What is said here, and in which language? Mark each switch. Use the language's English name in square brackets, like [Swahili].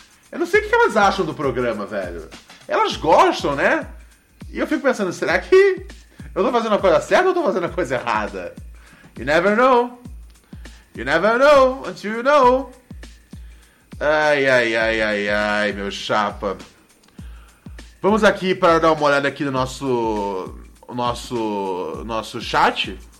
[Portuguese] Eu não sei o que elas acham do programa, velho. Elas gostam, né? E eu fico pensando, será que eu tô fazendo a coisa certa ou tô fazendo a coisa errada? [English] You never know. You never know until you know. [Portuguese] Ai, ai, ai, ai, ai, meu chapa. Vamos aqui para dar uma olhada aqui no nosso chat.